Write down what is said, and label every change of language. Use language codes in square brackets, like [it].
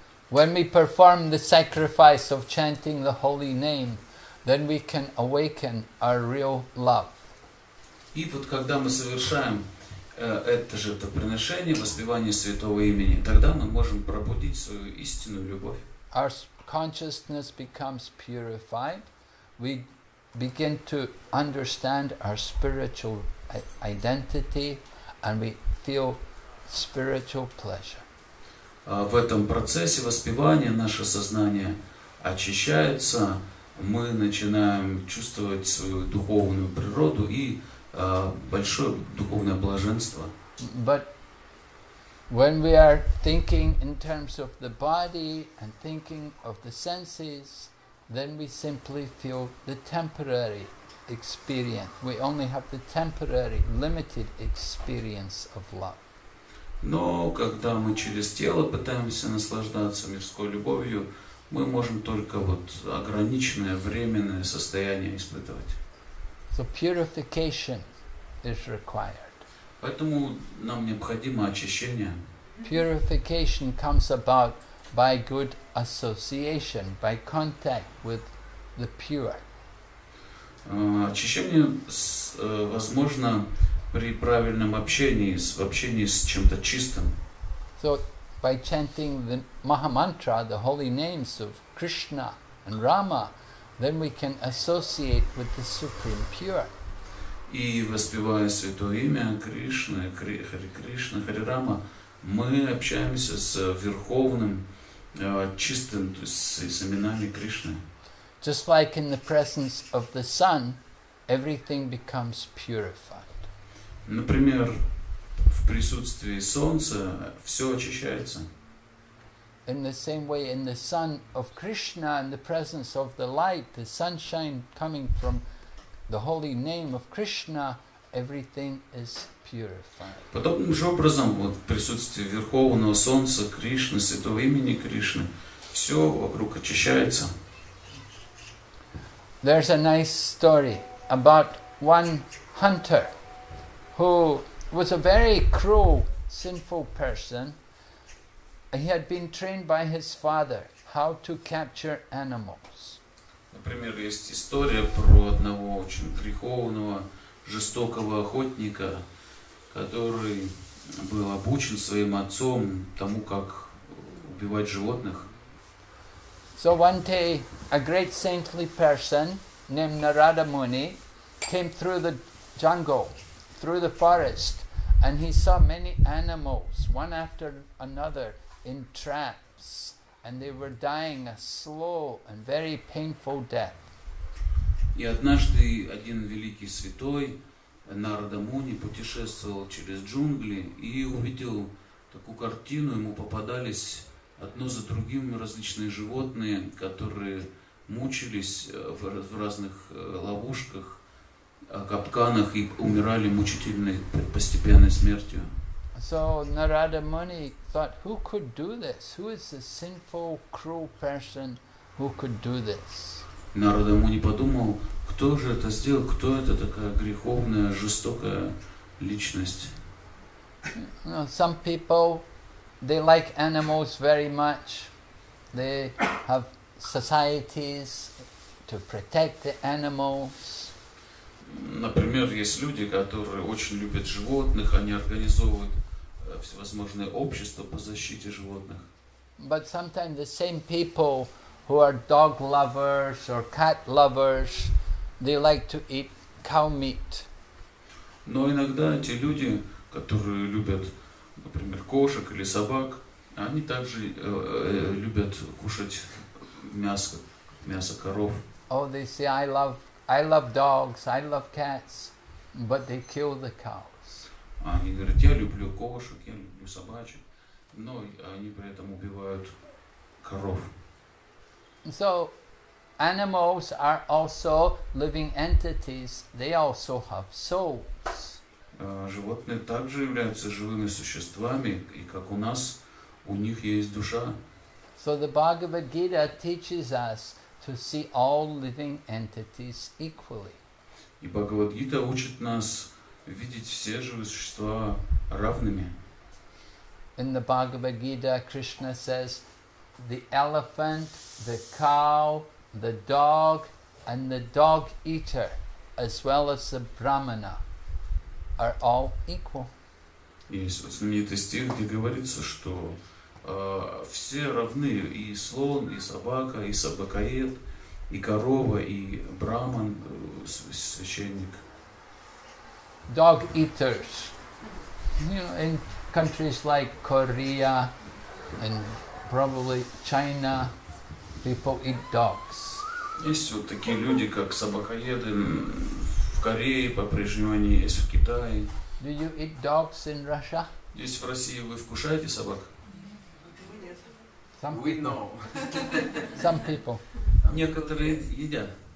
[en] When we perform the sacrifice of chanting the holy name, then we can awaken our real love. [ru] И вот когда мы совершаем это же это приношение, воспевание святого имени, тогда мы можем пробудить свою истинную любовь. [en] Our consciousness becomes purified. We begin to understand our spiritual identity, and we feel spiritual pleasure. [ru] В этом процессе воспевания наше сознание очищается, мы начинаем чувствовать свою духовную природу и большое духовное блаженство. [en] But when we are thinking in terms of the body and thinking of the senses, then we simply feel the temporary experience. We only have the temporary, limited experience of love. [ru] Но когда мы через тело пытаемся наслаждаться мирской любовью, мы можем только вот ограниченное временное состояние испытывать. [en] So purification is required. [ru] Поэтому нам необходимо очищение. [en] Purification comes about by good association, by contact with the pure. [ru] Очищение возможно при правильном общении, в общении с чем-то чистым. [en] So, by chanting the Mahamantra, the holy names of Krishna and Rama, then we can associate with the Supreme Pure. [ru] И воспевая святое имя Кришна, Кришна, Хари Рама, мы общаемся с верховным, чистым, то есть с именами Кришны. [en] Just like in the presence of the sun, everything becomes purified. [ru] Например, в присутствии солнца все очищается. [en] In the same way, in the sun of Krishna, in the presence of the light, the sunshine coming from the holy name of Krishna, everything is purified. [ru] Подобным же образом, вот в присутствии верховного солнца Кришны, святого имени Кришны, все вокруг очищается. [en] There's a nice story about one hunter who was a very cruel, sinful person. He had been trained by his father how to capture animals. [ru] Например, есть история про одного очень греховного, жестокого охотника, который был обучен своим отцом тому, как убивать животных. [en] So one day, a great saintly person named Narada Muni came through the jungle, through the forest, and he saw many animals, one after another, in traps, and they were dying a slow and very painful death. [ru] И однажды один великий святой, Нарада Муни, путешествовал через джунгли и увидел такую картину, ему попадались одно за другим различные животные, которые мучились в разных ловушках, капканах и умирали мучительной постепенной смертью. [en] So Narada Muni thought, who could do this? Who is a sinful, cruel person who could do this? [ru] Narada Muni подумал, кто же это сделал? Кто это такая греховная, жестокая личность? [en] Some people, they like animals very much. They have societies to protect the animals. [ru] Например, есть люди, которые очень любят животных, они организовывают всевозможные общества по защите животных. [en] But sometimes the same people who are dog lovers or cat lovers, They like to eat cow meat. [ru] Но иногда те люди, которые любят, например, кошек или собак, они также любят кушать мясо, мясо коров. [en] Oh, they say I love dogs, I love cats, but they kill the cows. [ru] Они говорят, я люблю кошек, я люблю собачек, но они при этом убивают коров. [en] So animals are also living entities, they also have souls. [ru] Животные также являются живыми существами, и как у нас, у них есть душа. [en] So the Bhagavad Gita teaches us to see all living entities equally. [ru] И Бхагавад Гита учит нас видеть все живые существа равными. [en] In the Bhagavad Gita, Krishna says, the elephant, the cow, the dog, and the dog eater, as well as the brahmana, are all equal. [ru] Есть знаменитый стих, где говорится, что все равны, и слон, и собака, и собакоед, и корова, и брахман, священник. [en] Dog eaters. You know, in countries like Korea and probably China, people eat dogs. [ru] Есть вот такие люди, как собакоеды, в Корее по-прежнему они есть, в Китае. [en] Do you eat dogs in Russia? [ru] Здесь в России вы вкушаете собак? [en] Some we know. Some people. [ru] Некоторые едят.